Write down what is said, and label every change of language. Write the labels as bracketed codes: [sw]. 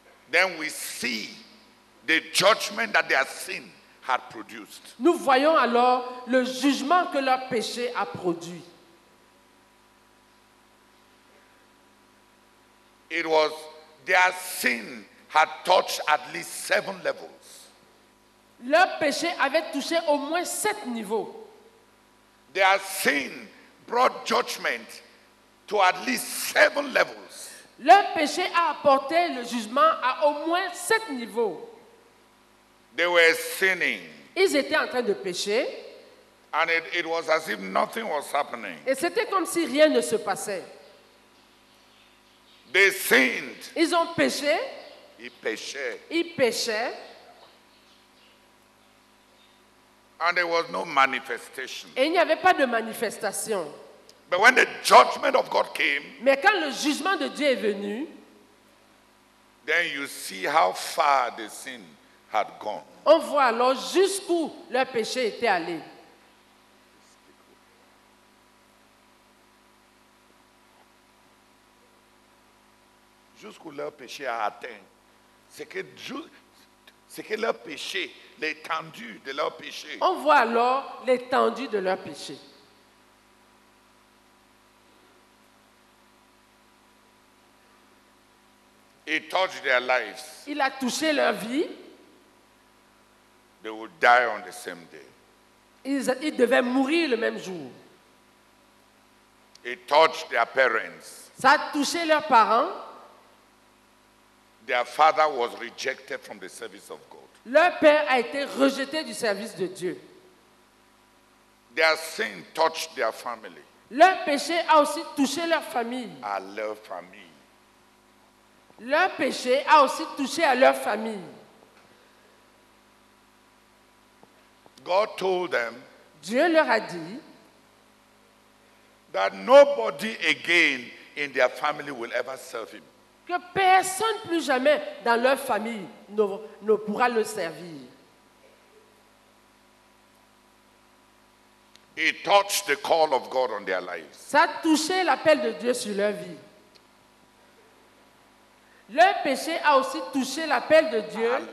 [en] then we see the judgment that their sin had produced. [fr] Nous voyons alors le jugement que leur péché a produit. [en] It was their sin had touched at least 7 levels. [fr] Leur péché avait touché au moins 7 niveaux. [en] Their sin brought judgment to at least 7 levels. [fr] Leur péché a apporté le jugement à au moins 7 niveaux. [en] They were sinning. [fr] Ils étaient en train de pécher. [en] And it was as if nothing was happening. [fr] Et c'était comme si rien ne se passait. [en] They sinned. [fr] Ils ont péché. Ils péchaient. [en] And there was no manifestation. [fr] Et il n'y avait pas de manifestation. [en] But when the judgment of God came, [fr] mais quand le jugement de Dieu est venu, [en] then you see how far the sin had gone. [fr] On voit alors jusqu'où leur péché était allé. Jusqu'où leur péché a atteint. C'est que leur péché, l'étendue de leur péché. On voit alors l'étendue de leur péché. [en] It touched their lives. [fr] Il a touché leur vie. [en] They would die on the same day. [fr] Ils devaient mourir le même jour. [en] It touched their parents. [fr] Ça a touché leurs parents. [en] Their father was rejected from the service of God. [fr] Leur père a été rejeté du service de Dieu. [en] Their sin touched their family. [fr] Leur péché a aussi touché leur famille. À leur famille. Leur péché a aussi touché à leur famille. [en] God told them, [fr] Dieu leur a dit, [en] that nobody again in their family will ever serve him. [fr] Que personne plus jamais dans leur famille ne pourra le servir. [en] He touched the call of God on their lives. [fr] Ça a touché l'appel de Dieu sur leur vie. Leur péché a aussi touché l'appel de Dieu.